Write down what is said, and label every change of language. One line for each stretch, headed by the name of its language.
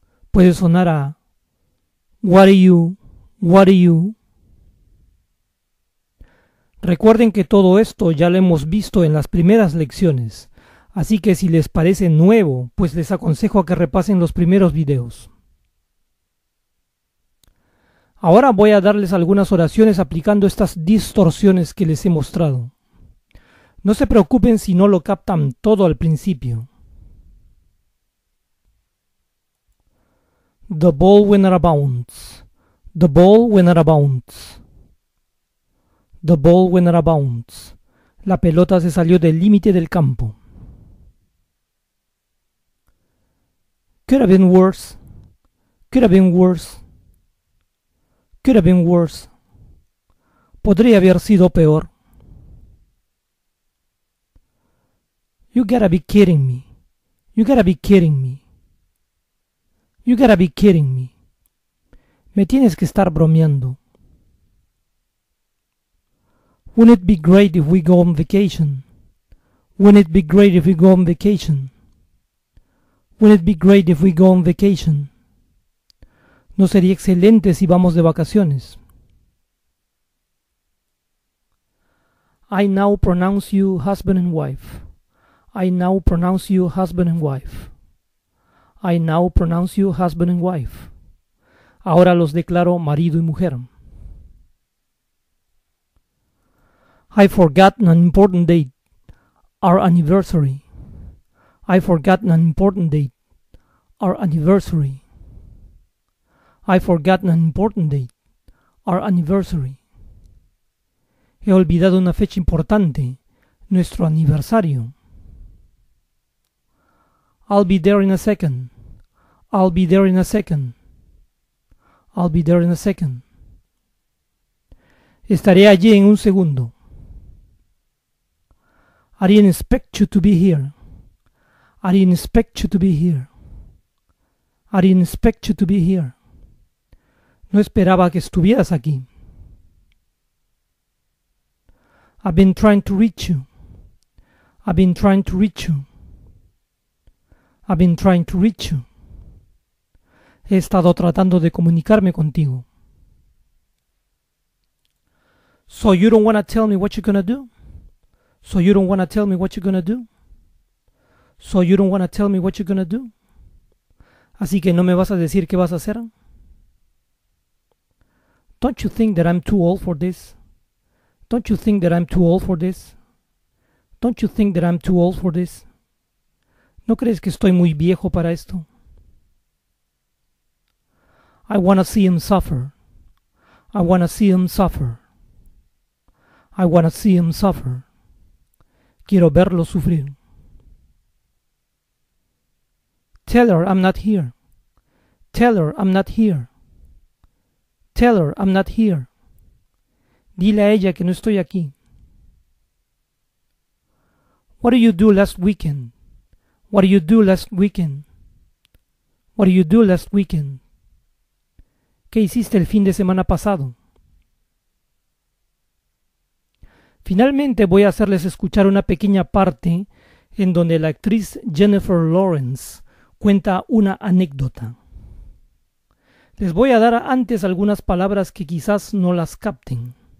Spanish: Puede sonar a
English: What are you?
Spanish: Recuerden que todo esto ya lo hemos visto en las primeras lecciones, así que si les parece nuevo, pues les aconsejo a que repasen los primeros videos. Ahora voy a darles algunas oraciones aplicando estas distorsiones que les he mostrado. No se preocupen si no lo captan todo al principio.
English: The ball went out of bounds. The ball went out of bounds. The ball went out of bounds.
Spanish: La pelota se salió del límite del campo.
English: Could have been worse. Could have been worse. Could have been worse.
Spanish: Podría haber sido peor.
English: You gotta be kidding me. You gotta be kidding me. You gotta be kidding me.
Spanish: Me tienes que estar bromeando.
English: Wouldn't it be great if we go on vacation? Wouldn't it be great if we go on vacation? Wouldn't it be great if we go on vacation?
Spanish: No sería excelente si vamos de vacaciones.
English: I now pronounce you husband and wife. I now pronounce you husband and wife. I now pronounce you husband and wife.
Spanish: Ahora los declaro marido y mujer.
English: I've forgotten an important date, our anniversary. I've forgotten an important date, our anniversary. I've forgotten an important date, our anniversary.
Spanish: He olvidado una fecha importante, nuestro aniversario.
English: I'll be there in a second. I'll be there in a second. I'll be there in a second.
Spanish: Estaré allí en un segundo.
English: I didn't expect you to be here. I didn't expect you to be here. I didn't expect you to be here.
Spanish: No esperaba que estuvieras aquí.
English: I've been trying to reach you. I've been trying to reach you. I've been trying to reach you.
Spanish: He estado tratando de comunicarme contigo.
English: So you don't want to tell me what you're going to do? So you don't want to tell me what you're going to do? So you don't want to tell me what you're going to do?
Spanish: Así que no me vas a decir qué vas a hacer.
English: Don't you think that I'm too old for this? Don't you think that I'm too old for this? Don't you think that I'm too old for this?
Spanish: ¿No crees que estoy muy viejo para esto?
English: I want to see him suffer. I want to see him suffer. I want to see him suffer.
Spanish: Quiero verlo sufrir.
English: Tell her I'm not here. Tell her I'm not here. Tell her I'm not here.
Spanish: Dile a ella que no estoy aquí.
English: What did you do last weekend? What did you do last weekend? What did you do last weekend?
Spanish: ¿Qué hiciste el fin de semana pasado? Finalmente voy a hacerles escuchar una pequeña parte en donde la actriz Jennifer Lawrence cuenta una anécdota. Les voy a dar antes algunas palabras que quizás no las capten.